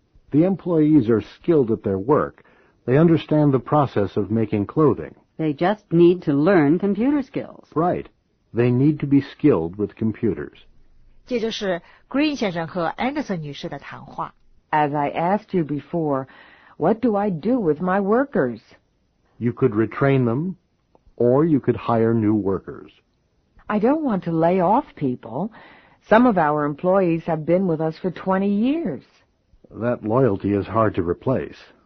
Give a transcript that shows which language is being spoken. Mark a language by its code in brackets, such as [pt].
[en] The employees are skilled at their work. They understand the process of making clothing. They just need to learn computer skills. Right. They need to be skilled with computers. [zh] 这就是 Green 先生和 Anderson 女士的谈话。 [en] As I asked you before, what do I do with my workers? You could retrain them, or you could hire new workers. I don't want to lay off people. Some of our employees have been with us for 20 years. That loyalty is hard to replace.